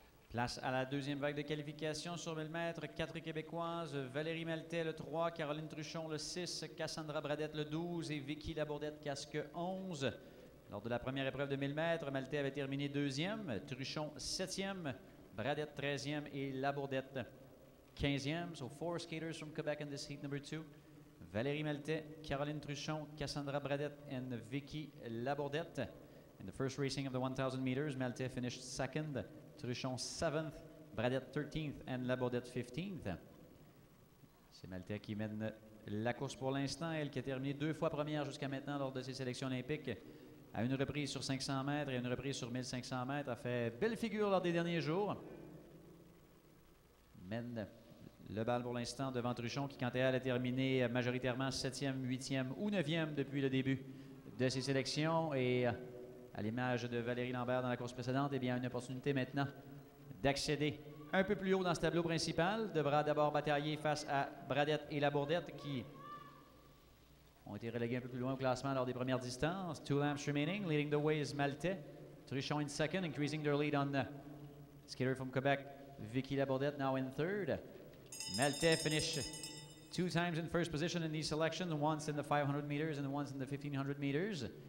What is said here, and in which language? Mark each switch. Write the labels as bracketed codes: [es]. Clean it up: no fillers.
[fr] Place à la deuxième vague de qualification sur 1000 mètres, 4 Québécoises, Valérie Maltais le 3, Caroline Truchon le 6, Cassandra Bradette le 12 et Vicky Labourdette casque 11. Lors de la première épreuve de 1000 mètres, Maltais avait terminé 2e, Truchon 7e, Bradette 13e et Labourdette 15e. [en] So four skaters from Quebec in this heat number 2. Valérie Maltais, Caroline Truchon, Cassandra Bradette and Vicky Labourdette. In the first racing of the 1000 meters, Maltais finished 2nd. Truchon 7th, Bradette 13th and Labourdette 15th. [fr] C'est Maltais qui mène la course pour l'instant. Elle qui a terminé deux fois première jusqu'à maintenant lors de ses sélections olympiques. À une reprise sur 500 mètres et une reprise sur 1500 mètres. A fait belle figure lors des derniers jours. Mène le bal pour l'instant devant Truchon qui, quant à elle, a terminé majoritairement 7e, 8e ou 9e depuis le début de ses sélections. Et à l'image de Valérie Lambert dans la course précédente, eh bien, une opportunité maintenant d'accéder un peu plus haut dans ce tableau principal, devra d'abord batailler face à Bradette et Labourdette qui ont été relégués un peu plus loin au classement lors des premières distances. [en] Two laps remaining. Leading the way is Malte. Trichon in second, increasing their lead on the skater from Quebec, Vicky Labourdette, now in third. Malte finished two times in first position in these selections, once in the 500 meters and once in the 1500 meters.